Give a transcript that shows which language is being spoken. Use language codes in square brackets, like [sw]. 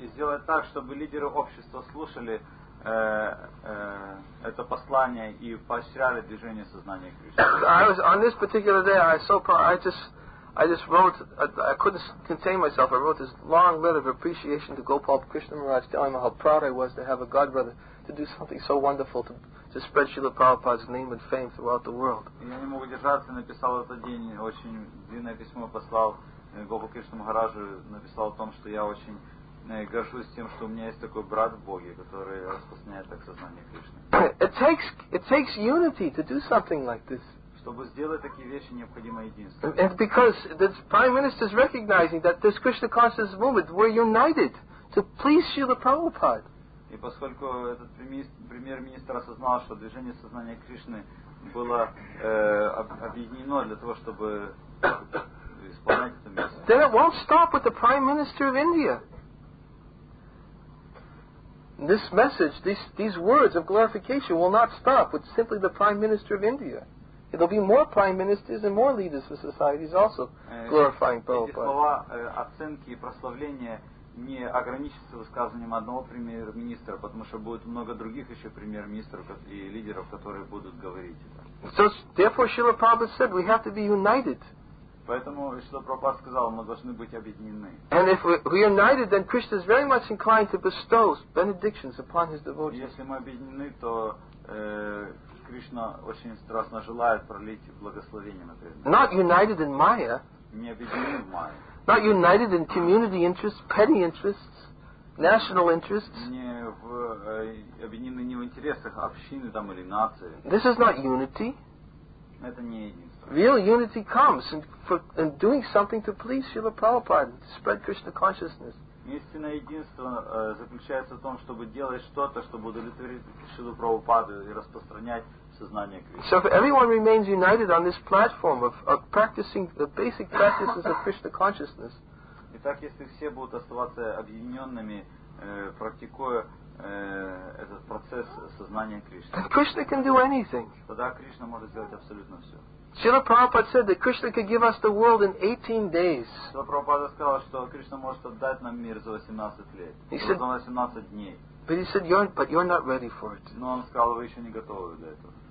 [ru] И сделать так, чтобы лидеры общества слушали это послание и поощряли движение сознания Кришны. [en] I was on this particular day, I just wrote, I couldn't contain myself, I wrote this long letter of appreciation to Gopal Krishna Maharaj, telling him how proud I was to have a godbrother to do something so wonderful to spread Srila Prabhupada's name and fame throughout the world. [ru] Я не мог удержаться, написал этот день, очень длинное письмо послал Гопал Кришна Махараджу, написал о том, что я очень горжусь тем, что у меня есть такой брат в Боге, который распространяет так сознание Кришны. [en] It takes unity to do something like this. [ru] Чтобы сделать такие вещи, необходимо единство. [en] And because the Prime Minister is recognizing that this Krishna consciousness movement, we're united to please Srila Prabhupada. [ru] И поскольку этот премьер-министр осознал, что движение сознания Кришны было объединено для того, чтобы исполнять это место. [en] Then it won't stop with the Prime Minister of India. This message, these words of glorification will not stop with simply the Prime Minister of India. It'll be more prime ministers and more leaders of societies also glorifying Prabhupada. [ru] Эти слова оценки и прославления не ограничатся высказыванием одного премьер-министра, потому что будет много других еще премьер-министров и лидеров, которые будут говорить. [en] So therefore, Srila Prabhupada said, we have to be united. [ru] Поэтому Шрила Прабхупада сказал, мы должны быть объединены. [en] And if we are united, then Krishna is very much inclined to bestow benedictions upon his devotees. [ru] Если мы объединены, то Кришна очень страстно желает пролить благословение на преданных. [en] Not united in Maya. [ru] Не объединены в Майе. [en] Not united in community interests, petty interests, national interests. [ru] Не в объединены не в интересах общины там или нации. [en] This is not unity. [ru] Это не единство. [en] Real unity comes in doing something to please Srila Prabhupada, to spread Krishna consciousness. [ru] Истинное единство заключается в том, чтобы делать что-то, чтобы удовлетворить Шилу Прабхупаду и распространять сознание Кришны. [en] So if everyone remains united on this platform of practicing the basic practices of Krishna consciousness. [ru] Итак, если все будут оставаться объединенными, практикуя этот процесс сознания Кришны, [en] Krishna can do anything. [ru] Тогда Кришна может сделать абсолютно все. [en] Srila Prabhupada said that Krishna could give us the world in 18 days. [ru] Srila Prabhupada сказал, что Кришна может отдать нам мир за 18 лет. [en] He said, [ru] за 18 дней. [en] But he said, you're not ready for it. [ru] Но он сказал, вы еще не готовы для этого.